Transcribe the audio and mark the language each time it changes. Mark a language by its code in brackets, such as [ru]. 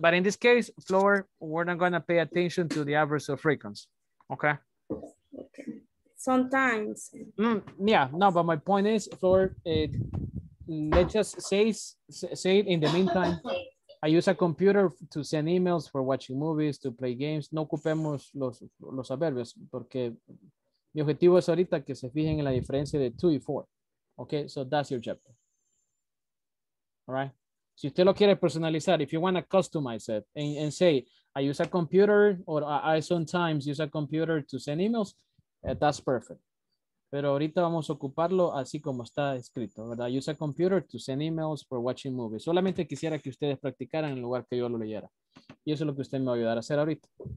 [en] But in this case, Flor, we're not going to pay attention to the average of frequency. Okay. Sometimes. Yeah, no, but my point is, Flor, let's just say it in the meantime. I use a computer to send emails, for watching movies, to play games. [es] No ocupemos los adverbios, porque mi objetivo es ahorita que se fijen en la diferencia de 2 y 4. [en] Okay, so that's your chapter. All right. [es] Si usted lo quiere personalizar, [en] if you want to customize it and say, I use a computer, or I sometimes use a computer to send emails, that's perfect. [es] Pero ahorita vamos a ocuparlo así como está escrito, [en] ¿verdad? I use a computer to send emails for watching movies. [es] Solamente quisiera que ustedes practicaran en lugar que yo lo leyera. Y eso es lo que usted me va a ayudar a hacer ahorita.